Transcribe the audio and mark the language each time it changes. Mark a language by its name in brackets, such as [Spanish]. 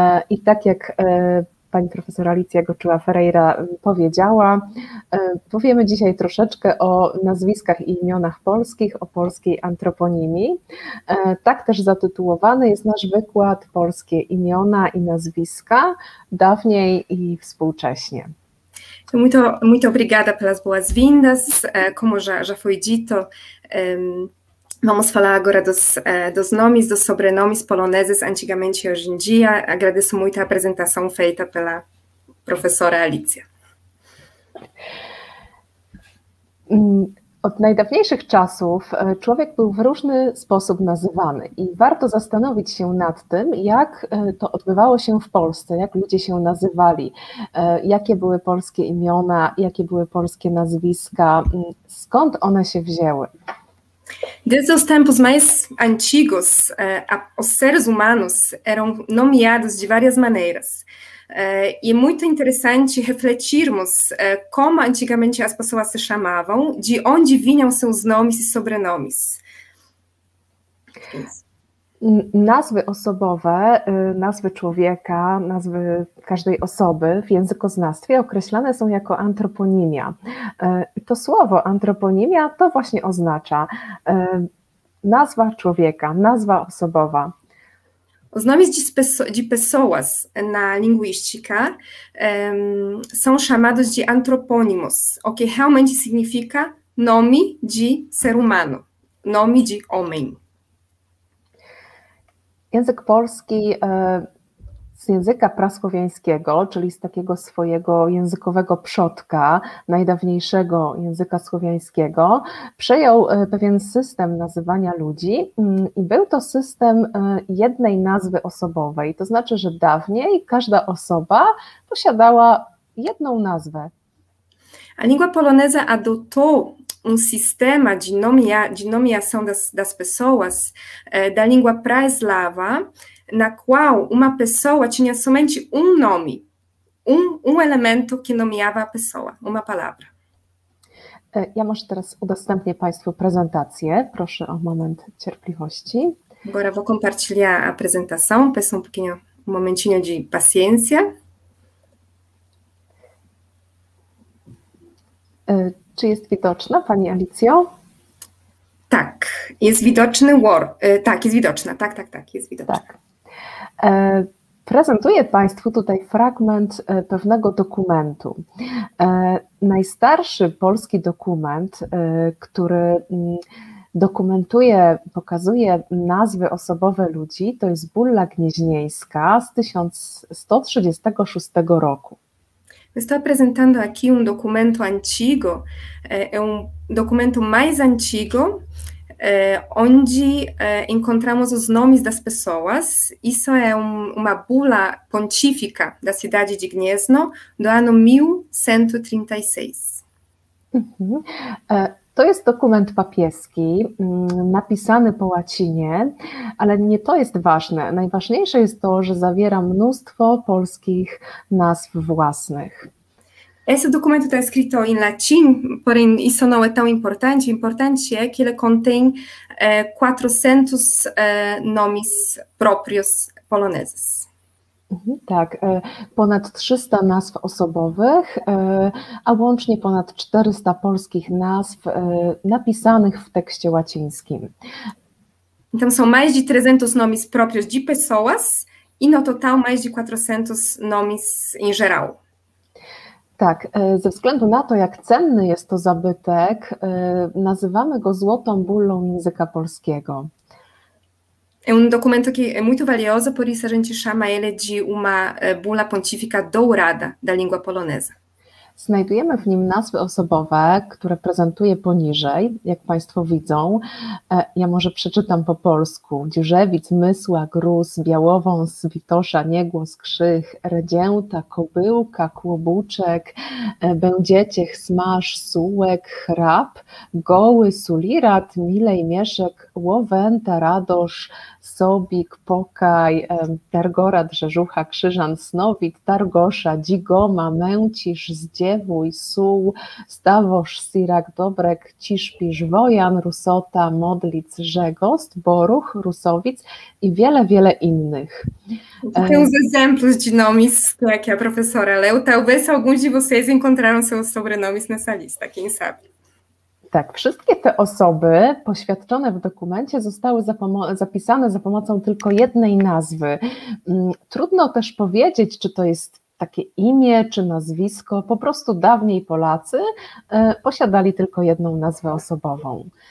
[Polish] I tak jak Pani Profesor Alicja Gochuła-Ferreira powiedziała, powiemy dzisiaj troszeczkę o nazwiskach i imionach polskich, o polskiej antroponimii. Tak też zatytułowany jest nasz wykład Polskie imiona i nazwiska, dawniej i współcześnie. [Portuguese] Muito obrigada pelas boas-vindas. Como já foi dito, vamos falar agora dos nomes, dos sobrenomes poloneses antigamente e hoje em dia. Agradeço muito a apresentação feita pela professora Alicia. [Polish] Od najdawniejszych czasów człowiek był w różny sposób nazywany i warto zastanowić się nad tym, jak to odbywało się w Polsce, jak ludzie się nazywali, jakie były polskie imiona, jakie były polskie nazwiska, skąd one się wzięły. [Portuguese] Desde os tempos mais antigos, os seres humanos eram nomeados de várias maneiras. E é muito interessante refletirmos como antigamente as pessoas se chamavam, de onde vinham seus nomes e sobrenomes. [Polish] Nazwy osobowe, nazwy człowieka, nazwy każdej osoby w językoznawstwie określane są jako antroponimia. To słowo antroponimia to właśnie oznacza nazwa człowieka, nazwa osobowa. [Portuguese] Os nomes de pessoas na linguística, são chamados de antropônimos, o que realmente significa nome de ser humano, nome de homem. [Polish] Język polski z języka prasłowiańskiego, czyli z takiego swojego językowego przodka, najdawniejszego języka słowiańskiego, przejął pewien system nazywania ludzi i był to system jednej nazwy osobowej. To znaczy, że dawniej każda osoba posiadała jedną nazwę. [Portuguese] A língua polonesa adotou um sistema de nomeação das pessoas da língua pré-eslava, na qual uma pessoa tinha somente um nome, um elemento que nomeava a pessoa, uma palavra. [Polish] Ja może teraz udostępnię Państwu prezentację. Proszę o moment cierpliwości. [Portuguese] Agora vou compartilhar a apresentação, peço um momentinho de paciência. [Polish] Czy jest widoczna, Pani Alicjo? Jest widoczny Word. Tak, jest widoczna. Tak, jest widoczna. Prezentuję Państwu tutaj fragment pewnego dokumentu. Najstarszy polski dokument, który dokumentuje, pokazuje nazwy osobowe ludzi, to jest Bulla Gnieźnieńska z 1136 roku. [Portuguese] Estou apresentando aqui um documento antigo, é um documento mais antigo, onde encontramos os nomes das pessoas. Isso é uma bula pontifica da cidade de Gniezno, do ano 1136. [Polish] To jest dokument papieski, napisany po łacinie, ale nie to jest ważne. Najważniejsze jest to, że zawiera mnóstwo polskich nazw własnych. [Portuguese] Esse documento está escrito em latim, porém isso não é tão importante. O importante é que ele contém 400 nomes próprios poloneses. [Polish] Tak, ponad 300 nazw osobowych, a łącznie ponad 400 polskich nazw napisanych w tekście łacińskim. [Portuguese] Então são mais de 300 nomes próprios de pessoas e no total mais de 400 nomes em geral. [Polish] Tak, ze względu na to, jak cenny jest to zabytek, nazywamy go Złotą Bullą Języka Polskiego. [Portuguese] É um documento que é muito valioso, por isso a gente chama ele de uma bula pontifica dourada da língua polonesa. [Polish] Znajdujemy w nim nazwy osobowe, które prezentuję poniżej, jak Państwo widzą. Ja może przeczytam po polsku. Dziurzewic, Mysła, Gruz, Białowąs, Witosza, Niegłos, Krzych, Redzięta, Kobyłka, Kłobuczek, Będziecie, Chsmarz, Sułek, Chrap, Goły, Sulirat, Milej, Mieszek, Łowęta, Radosz, Sobik, Pokaj, Targora, Drzeżucha, Krzyżan, Snowit, Targosza, Dzigoma, Męcisz, Zdziewój, Suł, Stawosz, Sirak, Dobrek, Ciszpisz, Wojan, Rusota, Modlic, Rzegost, Boruch, Rusowic i wiele, wiele innych. [Portuguese] Tem uns exemplos de nomes que a professora leu. Talvez alguns de vocês encontraram seus sobrenomes nessa lista, quem sabe. [Polish] Tak, wszystkie te osoby poświadczone w dokumencie zostały zapisane za pomocą tylko jednej nazwy. Trudno też powiedzieć, czy to jest takie imię, czy nazwisko. Po prostu dawniej Polacy posiadali tylko jedną nazwę osobową.